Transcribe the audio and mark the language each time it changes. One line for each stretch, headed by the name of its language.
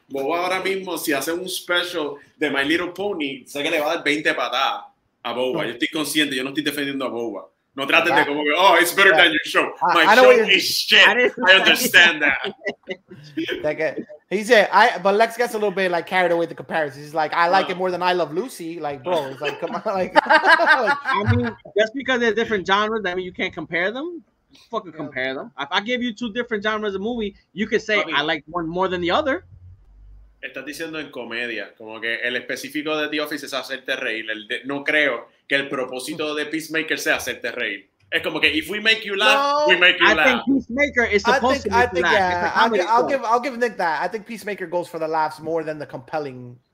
Spanish: Boba ahora mismo si hace un special de My Little Pony, sé que le va a dar 20 patadas a Boba. Yo estoy consciente. Yo no estoy defendiendo a Boba. No traten de como,
English: oh, it's better than your show. My show is shit. I understand that. Like, he said, but Lex gets a little bit like carried away with the comparison. He's like, I like it more than I Love Lucy. Like, bro, it's like, come on. Like, I mean, just because they're different genres, I mean, you can't compare them. Fucking compare them. If I give you two different genres of movie, you could say I like one more than the other.
Spanish: Estás diciendo en comedia, como que el específico de The Office es hacerte reír. No creo que el propósito de Peacemaker sea hacerte reír. Es como que
English: if we make you laugh, we make you laugh. I think Peacemaker is supposed to make you laugh. I'll give Nick that. I think Peacemaker goes for the laughs more than the compelling.